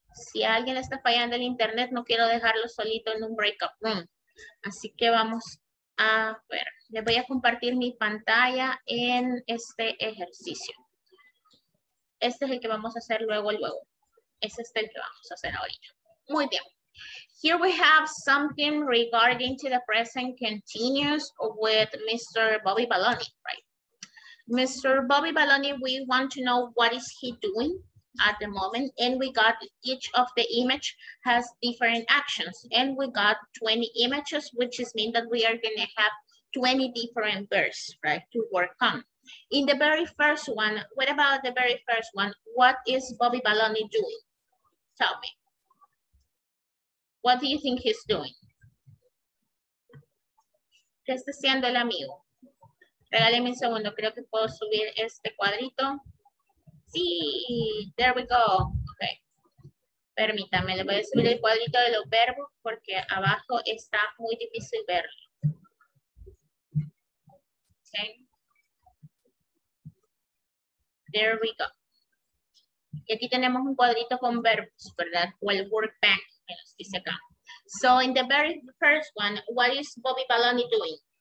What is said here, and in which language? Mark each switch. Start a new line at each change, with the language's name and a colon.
Spanish: Si alguien está fallando el internet, no quiero dejarlo solito en un breakout room. Así que vamos a ver. Les voy a compartir mi pantalla en este ejercicio. Este es el que vamos a hacer luego, luego. Ese es el que vamos a hacer ahorita. Muy bien.
English: Here we have something regarding to the present continuous with Mr. Bobby Baloney, right? Mr. Bobby Baloney, we want to know what is he doing at the moment, and we got each of the image has different actions, and we got 20 images, which is mean that we are going to have 20 different verbs, right, to work on. In the very first one, what about the very first one? What is Bobby Baloney doing? Tell me. What do you think he's doing?
Spanish: ¿Qué está haciendo el amigo? Regáleme un segundo, creo que puedo subir este cuadrito. Sí,
English: there we go. Okay.
Spanish: Permítame, le voy a subir el cuadrito de los verbos porque abajo está muy difícil verlo.
English: Okay. There we go.
Spanish: Y aquí tenemos un cuadrito con verbos, ¿verdad? O el word bank que nos dice acá.
English: So in the very first one, what is Bobby Baloney doing?